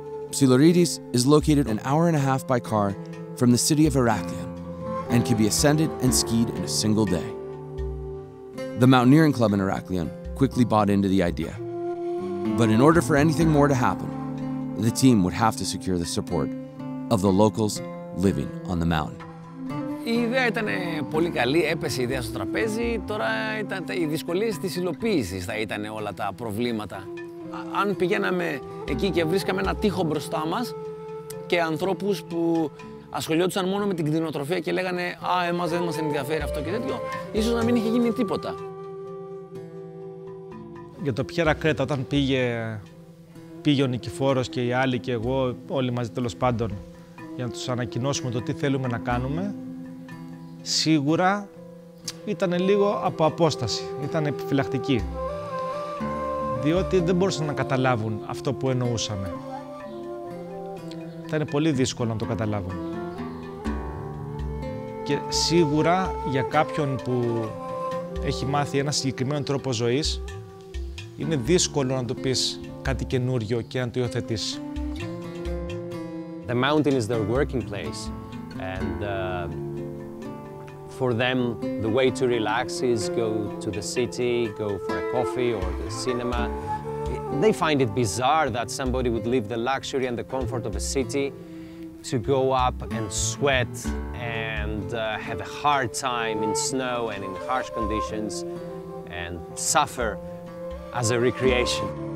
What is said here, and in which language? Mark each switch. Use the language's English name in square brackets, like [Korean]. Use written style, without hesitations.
[English] Psiloritis is located an hour and a half by car from the city of Heraklion and can be ascended and skied in a single day. The mountaineering club in Heraklion quickly bought into the idea. But in order for anything more to happen, the team would have to secure the support of the locals living on the mountain. [Greek] Η ιδέα ήταν πολύ καλή, έπεσε η ιδέα στο τραπέζι. Τώρα ήταν οι δυσκολίες της υλοποίησης θα ήταν όλα τα προβλήματα. Αν πηγαίναμε εκεί και βρίσκαμε ένα τείχο μπροστά μας και ανθρώπους που ασχολιόντουσαν μόνο με την κτηνοτροφία και λέγανε «Α, εμάς δεν μας ενδιαφέρει αυτό» και τέτοιο, ίσως να μην είχε γίνει τίποτα. Για το Piera Creta, όταν πήγε ο Νικηφόρος και οι άλλοι και εγώ, όλοι μαζί τέλος πάντων, για να τους ανακοινώσουμε το τι θέλουμε να κάνουμε, σίγουρα ήταν λίγο από απόσταση, ήταν επιφυλακτική. Διότι δεν μπορούσαν να καταλάβουν αυτό που εννοούσαμε. Ήταν πολύ δύσκολο να το καταλάβουν. Και σίγουρα για κάποιον που έχει μάθει ένα συγκεκριμένο τρόπο ζωής, είναι δύσκολο να του πεις κάτι καινούριο και να το υιοθετήσει. [English] The mountain is their working place. And for them, the way to relax is go to the city, go for a coffee or the cinema. They find it bizarre that somebody would leave the luxury and the comfort of a city to go up and sweat and have a hard time in snow and in harsh conditions and suffer as a recreation.